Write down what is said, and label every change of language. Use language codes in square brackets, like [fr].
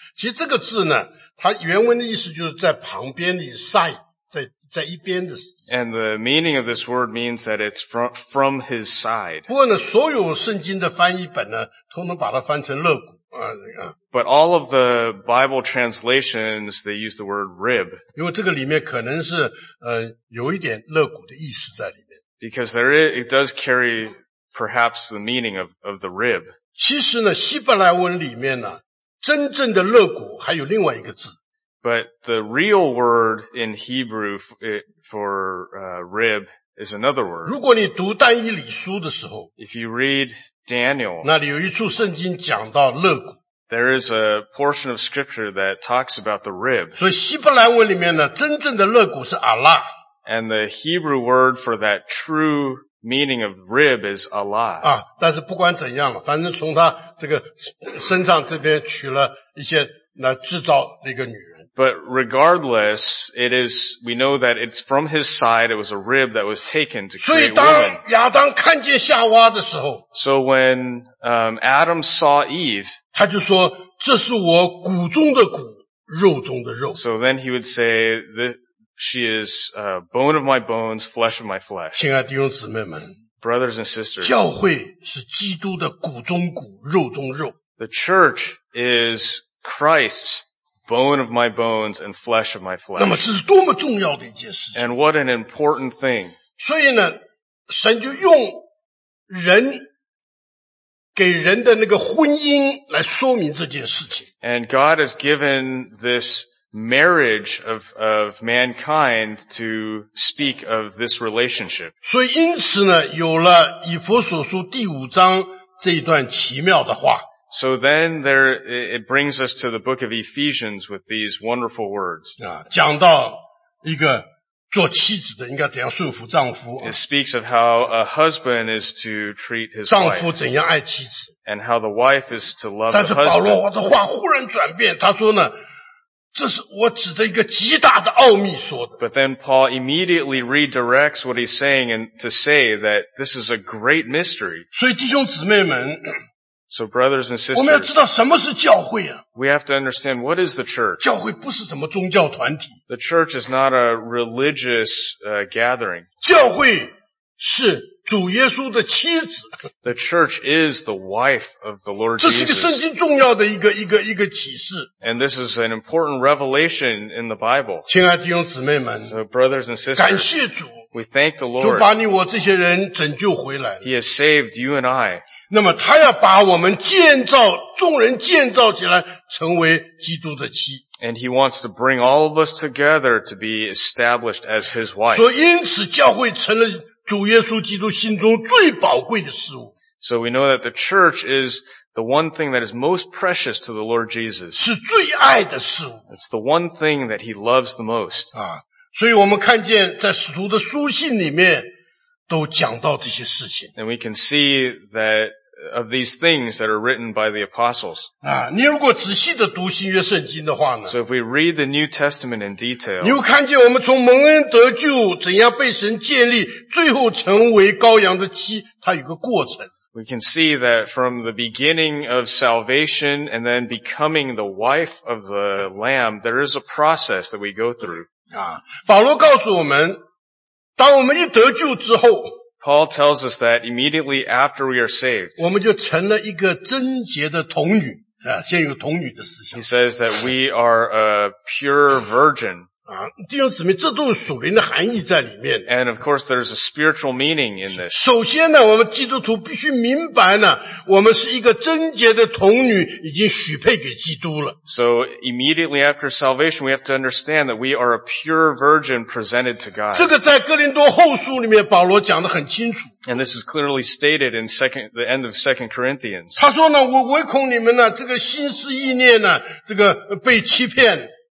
[zh] 其实这个字呢它原文的意思就是在旁边的 side, 在一边的。 [en] And the meaning of this word means that it's from his side. [zh] 不过呢所有圣经的翻译本呢通通把它翻成肋骨。 [en] But all of the Bible translations, they use the word rib. [zh] 因为这个里面可能是有一点肋骨的意思在里面。 [en] Because it does carry perhaps the meaning of the rib. [zh] 其实呢希伯来文里面呢真正的肋骨还有另外一个字。 [en] But the real word in Hebrew for rib is another word. [zh] 如果你读但以理书的时候 [en] If you read Daniel, [zh] 那里有一处圣经讲到肋骨。 [en] There is a portion of scripture that talks about the rib. [zh] 所以希伯来文里面呢真正的肋骨是 Allah. [en] And the Hebrew word for that true meaning of rib is Allah. [zh] 啊但是不管怎样了反正从他这个身上这边取了一些来制造那个女人。 [en] But regardless, it is, we know that it's from his side, it was a rib that was taken to create woman. [zh] 所以当亚当看见夏娃的时候, [en] so when Adam saw Eve, [zh] 他就说, 这是我骨中的骨, 肉中的肉。 [en] So then he would say, she is bone of my bones, flesh of my flesh. [zh] 亲爱的弟兄姊妹们, [en] brothers and sisters, [zh] 教会是基督的骨中骨, 肉中肉。 [en] The church is Christ's bone of my bones and flesh of my flesh. [zh] 那么这是多么重要的一件事情。 [en] And what an important thing. [zh] 所以呢，神就用人给人的那个婚姻来说明这件事情。 [en] And God has given this marriage of mankind to speak of this relationship. [zh] 所以因此呢，有了以弗所书第五章这一段奇妙的话。 [en] So then there, it brings us to the book of Ephesians with these wonderful words. [zh] 讲到一个做妻子的应该怎样顺服丈夫。 [en] It speaks of how a husband is to treat his wife. [zh] 丈夫怎样爱妻子。 [en] And how the wife is to love the husband. [zh] 但是保罗的话忽然转变，他说呢，这是我指着一个极大的奥秘说的。 [en] But then Paul immediately redirects what he's saying and to say that this is a great mystery. [zh] 所以弟兄姊妹们， [en] So brothers and sisters, [zh] 我们要知道什么是教会啊。 [en] We have to understand what is the church. [zh] 教会不是什么宗教团体。 [en] The church is not a religious gathering. [zh] 教会是主耶稣的妻子。 [en] The church is the wife of the Lord Jesus. [zh] 这是一个圣经重要的一个启示。 [en] And this is an important revelation in the Bible. [zh] 亲爱的弟兄姊妹们。 [en] So brothers and sisters, [zh] 感谢主。 [en] We thank the Lord. [zh] 主把你我这些人拯救回来。 [en] He has saved you and I. [zh] 那么他要把我们建造，众人建造起来，成为基督的妻。 [en] And he wants to bring all of us together to be established as his wife. [zh] 所以因此教会成了主耶稣基督心中最宝贵的事物。 [en] So we know that the church is the one thing that is most precious to the Lord Jesus. [zh] 是最爱的事物。 [en] It's the one thing that he loves the most. 啊。 [zh] 所以我们看见在使徒的书信里面都讲到这些事情。 [en] And we can see that of these things that are written by the apostles. [zh] 啊，你如果仔细的读新约圣经的话呢 [en] ？So if we read the New Testament in detail, [zh] 你会看见我们从蒙恩得救，怎样被神建立，最后成为羔羊的妻，它有个过程。 [en] We can see that from the beginning of salvation and then becoming the wife of the Lamb, there is a process that we go through. [zh] 啊，保罗告诉我们，当我们一得救之后。 [en] Paul tells us that immediately after we are saved, [zh] 我们就成了一个贞洁的童女，先有童女的思想。 [en] He says that we are a pure virgin. [zh] 啊，弟兄姊妹，这都是属灵的含义在里面。 [en] And of course, there's a spiritual meaning in this. [zh] 首先呢，我们基督徒必须明白呢，我们是一个贞洁的童女，已经许配给基督了。 [en] So immediately after salvation, we have to understand that we are a pure virgin presented to God. [zh] 这个在哥林多后书里面保罗讲得很清楚。 [en] And this is clearly stated in the end of 2 Corinthians. [zh] 他说呢，我唯恐你们呢，这个心思意念呢，这个被欺骗。